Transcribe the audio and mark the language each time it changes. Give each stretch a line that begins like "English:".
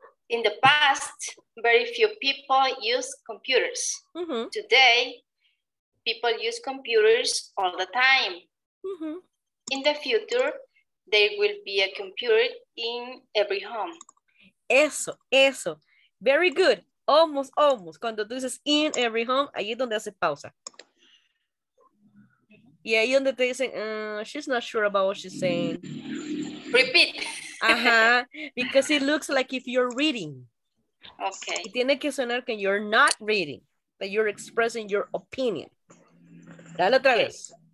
English: In the past, very few people used computers. Mm-hmm. Today, people use computers all the time. Mm-hmm. In the future, there will be a computer in every home. Eso. Very good. Almost.
Spanish: Cuando tú dices
English: in every home,
Spanish: ahí es donde hace pausa. Y ahí donde te dicen,
English: she's not sure about what she's saying. Repeat. Uh-huh. Because it looks like if you're reading. Okay.
Spanish: Y tiene que sonar que
English: you're not reading, that you're expressing your opinion.
Spanish: Dale otra vez.